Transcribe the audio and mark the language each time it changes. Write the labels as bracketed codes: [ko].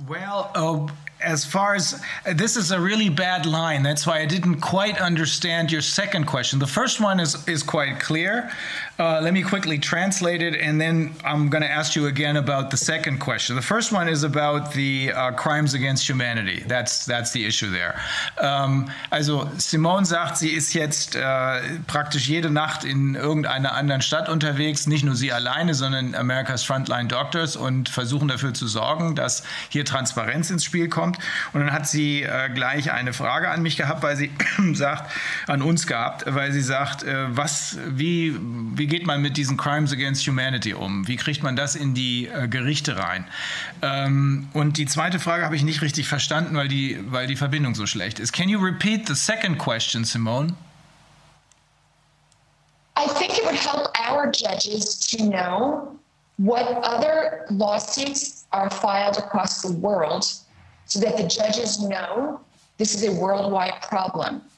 [en] Well, as far as this is a really bad line. That's why I didn't quite understand your second question. The first one is quite clear. Let me quickly translate it, and then I'm going to ask you again about the second question. The first one is about the crimes against humanity. That's the issue there. [de] Also Simone sagt, sie ist jetzt praktisch jede Nacht in irgendeiner anderen Stadt unterwegs, nicht nur sie alleine, sondern America's Frontline Doctors, und versuchen dafür zu sorgen, dass hier Transparenz ins Spiel kommt. Und dann hat sie gleich eine Frage an mich gehabt, weil sie sagt, an uns gehabt, weil sie sagt, wie geht man mit diesen Crimes Against Humanity um? Wie kriegt man das in die Gerichte rein? Und die zweite Frage habe ich nicht richtig verstanden, weil die Verbindung so schlecht ist. [en] Can you repeat the second question, Simone? I think it would help our judges to know what other lawsuits are filed across the world so that the judges know this is a worldwide problem.